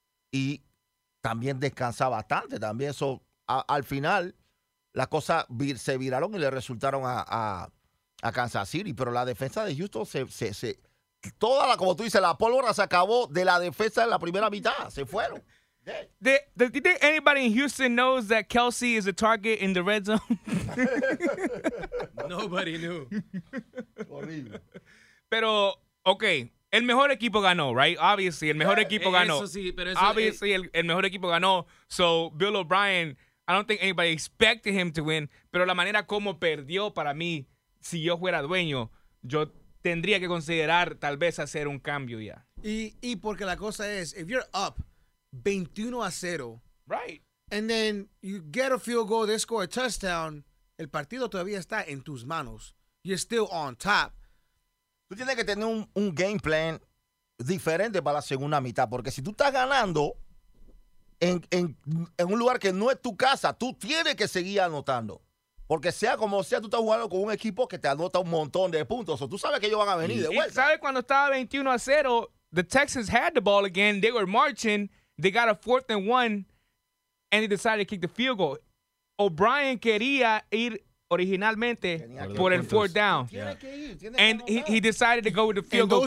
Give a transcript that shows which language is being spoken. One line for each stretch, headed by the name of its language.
Spanish: y también descansa bastante, también eso, al final, las cosas se viraron y le resultaron a Kansas City, pero la defensa de Houston se toda la, como tú dices, la pólvora se acabó de la defensa en la primera mitad, se fueron.
English: Do you think anybody in Houston knows that Kelsey is a target in the red zone? Nobody knew.
Spanish: Pero, okay. El mejor equipo ganó, right? Obviously, el mejor equipo ganó. Eso sí, pero eso, obviously, el mejor equipo ganó.
English: So, Bill O'Brien, I don't think anybody expected him to win.
Spanish: Pero la manera como perdió, para mí, si yo fuera dueño, yo tendría que considerar tal vez hacer un cambio ya. Y porque la cosa es,
English: if you're up 21-0, right, and then you get a field goal, they score a touchdown,
Spanish: el partido todavía está en tus manos.
English: You're still on top.
Spanish: Tú tienes que tener un game plan diferente para la segunda mitad. Porque si tú estás ganando en un lugar que no es tu casa, tú tienes que seguir anotando. Porque sea como sea, tú estás jugando con un equipo que te anota un montón de puntos. O tú sabes que ellos van a venir de vuelta. ¿Sabes cuando estaba 21-0,
English: the Texans had the ball again, they were marching, they got a 4th-and-1, and they decided to kick the field goal?
Spanish: O'Brien quería ir originalmente por el 4th down.
English: And he decided to go with the field goal